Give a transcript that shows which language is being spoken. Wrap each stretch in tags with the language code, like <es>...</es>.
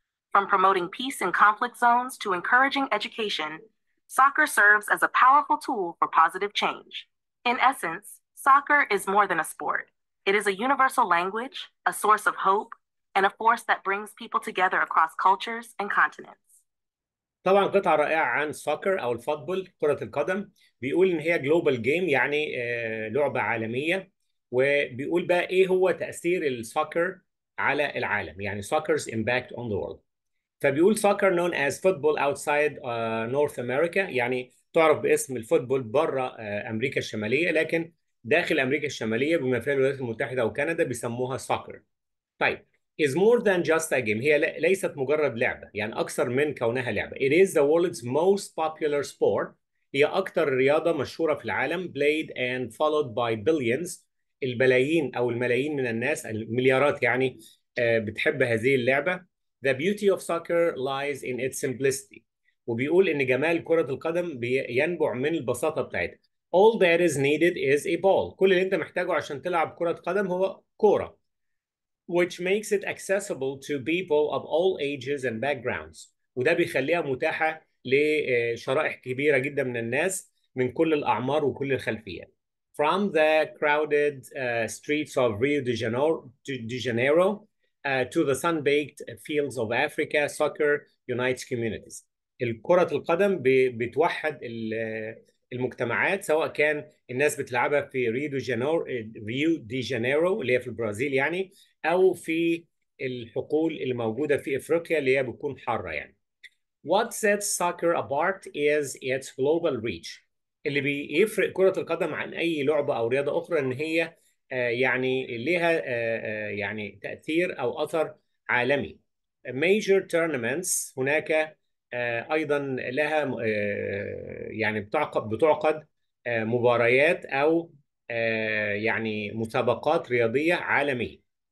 <en>From promoting peace in conflict zones to encouraging education, soccer serves as a powerful tool for positive change. In essence, soccer is more than a sport. It is a universal language, a source of hope, and a force that brings people together across cultures and continents.</en> <ar>طبعا قطعة رائعة عن سوكر أو الفوتبول كرة القدم. بيقول إن هي</ar> <en>global game</en> <ar>يعني لعبة عالمية، وبيقول بقى إيه هو تأثير السوكر على العالم، يعني</ar> <en>Soccer's impact on the world.</en> <ar>فبيقول</ar> <en>soccer known as football outside north America,</en> <ar>يعني تعرف باسم الفوتبول بره أمريكا الشمالية، لكن داخل أمريكا الشمالية بما فيها الولايات المتحدة وكندا بيسموها سوكر. طيب</ar> <en>is more than just a game،</en> <ar>هي ليست مجرد لعبة، يعني أكثر من كونها لعبة.</ar> <en>It is the world's most popular sport،</en> <ar>هي أكثر رياضة مشهورة في العالم،</ar> <en>played and followed by billions،</en> <ar>البلايين أو الملايين من الناس، المليارات يعني بتحب هذه اللعبة.</ar> <en>The beauty of soccer lies in its simplicity،</en> <ar>وبيقول إن جمال كرة القدم بينبع من البساطة بتاعتها.</ar> <en>All that is needed is a ball.</en> <ar>كل اللي انت محتاجه عشان تلعب كرة قدم هو كورة.</ar> <en>Which makes it accessible to people of all ages and backgrounds.</en> <ar>وده بيخليها متاحة لشرائح كبيرة جدا من الناس من كل الأعمار وكل الخلفيات.</ar> <en>From the crowded streets of Rio de Janeiro to the sun-baked fields of Africa, soccer unites communities.</en> <ar>الكرة القدم بتوحد المجتمعات، سواء كان الناس بتلعبها في ريو دي جانيرو اللي هي في البرازيل يعني، او في الحقول اللي موجوده في افريقيا اللي هي بتكون حاره يعني.</ar> <en>What sets soccer apart is its global reach.</en> <ar>اللي بيفرق كره القدم عن اي لعبه او رياضه اخرى ان هي يعني ليها يعني تاثير او اثر عالمي.</ar> <en>Major tournaments،</en> <ar>هناك ايضا لها يعني بتعقد مباريات او يعني مسابقات رياضيه عالميه.</ar>